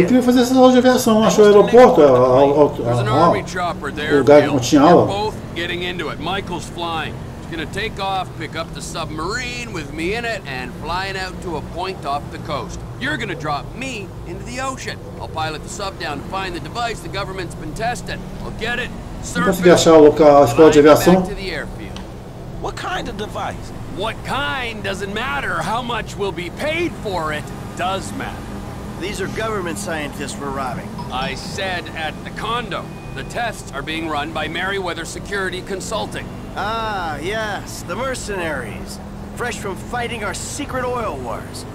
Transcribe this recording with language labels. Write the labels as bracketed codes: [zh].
[pt] Eu queria fazer essa aula de aviação, achou o aeroporto, o lugar onde tinha aula. [en] Both getting into it. Michael's flying. He's gonna take off, pick up the submarine with me in it, and flying out to a point off the coast. You're gonna drop me into the ocean. I'll pilot the sub down to find the device the government's been testing. I'll get it. [pt] Consegui achar o local, a escola de aviação. [en] What kind of device? What kind doesn't matter. How much will be paid for it does matter. These are government scientists we're robbing. I said at the condo. The tests are being run by Merryweather Security Consulting. Ah, yes, the mercenaries. Fresh from fighting our secret oil wars.